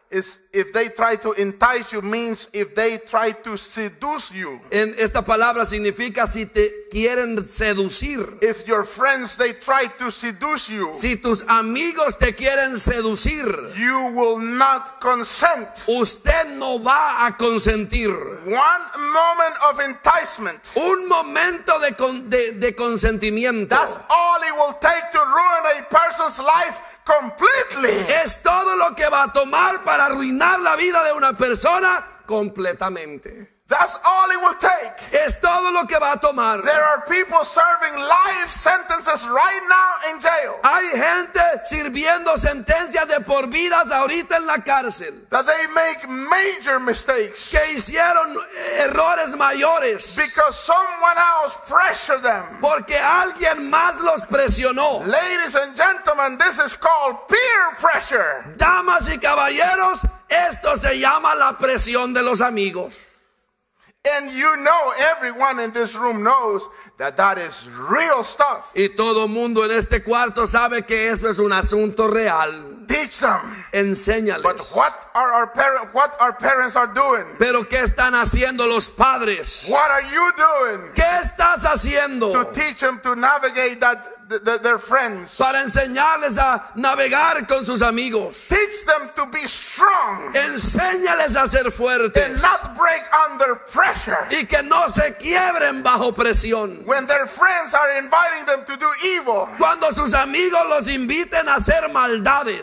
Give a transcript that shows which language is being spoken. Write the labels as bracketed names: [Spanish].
[English] Is if they try to entice you means if they try to seduce you. [Spanish] En esta palabra significa si te quieren seducir. [English] If your friends they try to seduce you. [Spanish] Si tus amigos te quieren seducir. [English] You will not consent. [Spanish] Usted no va a consentir. [English] One moment of enticement. [Spanish] Un momento de consentimiento. [English] That's all it will take to ruin a person's life. Completely. [Spanish] Es todo lo que va a tomar para arruinar la vida de una persona completamente. [English] That's all it will take. [Spanish] Es todo lo que va a tomar. [English] There are people serving life sentences right now in jail. [Spanish] Hay gente sirviendo sentencias de por vidas ahorita en la cárcel. [English] That they make major mistakes. [Spanish] Que hicieron errores mayores. [English] Because someone else pressured them. [Spanish] Porque alguien más los presionó. [English] Ladies and gentlemen, this is called peer pressure. [Spanish] Damas y caballeros, esto se llama la presión de los amigos. [English] And you know, everyone in this room knows that that is real stuff. [Spanish] Y todo mundo en este cuarto sabe que eso es un asunto real. [English] Teach them. [Spanish] Enséñales. [English] But what our parents are doing? [Spanish] Pero qué están haciendo los padres? [English] What are you doing? [Spanish] ¿Qué estás haciendo? [English] To teach them to navigate that. Their friends. [Spanish] Para enseñarles a navegar con sus amigos. [English] Teach them to be strong. [Spanish] Enséñales a ser fuertes. [English] And not break under pressure. [Spanish] Y que no se quiebren bajo presión. [English] When their friends are inviting them to do evil. [Spanish] Cuando sus amigos los inviten a hacer maldades.